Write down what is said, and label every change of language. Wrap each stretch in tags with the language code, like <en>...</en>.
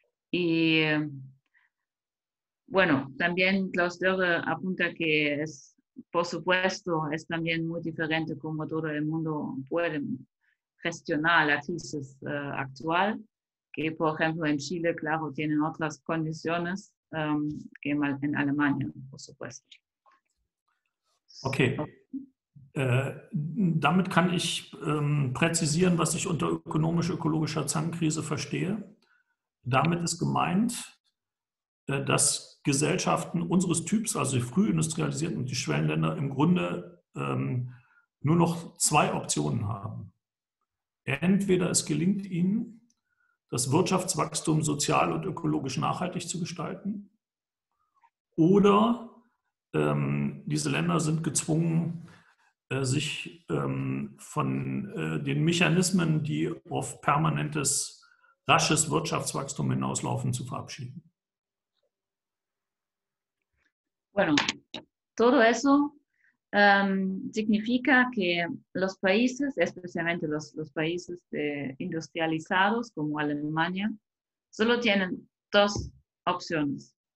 <es>Y bueno, también Klaus Dörre apunta que es, por supuesto, es también muy diferente cómo todo el mundo puede gestionar la crisis actual, que por ejemplo en Chile, claro, tienen otras condiciones que en Alemania, por supuesto. Okay.</es> <de>Damit kann ich präzisieren, was ich unter ökonomisch-ökologischer Zangenkrise verstehe. Damit ist gemeint, dass Gesellschaften unseres Typs, also die frühindustrialisierten und die Schwellenländer, im Grunde nur noch zwei Optionen haben. Entweder es gelingt ihnen, das Wirtschaftswachstum sozial und ökologisch nachhaltig zu gestalten, oder diese Länder sind gezwungen, sich von den Mechanismen, die auf permanentes, rasches Wirtschaftswachstum hinauslaufen, zu verabschieden.</de> <es>Bueno, todo eso significa que los países, especialmente los países industrializados como Alemania, solo tienen dos opciones.</es>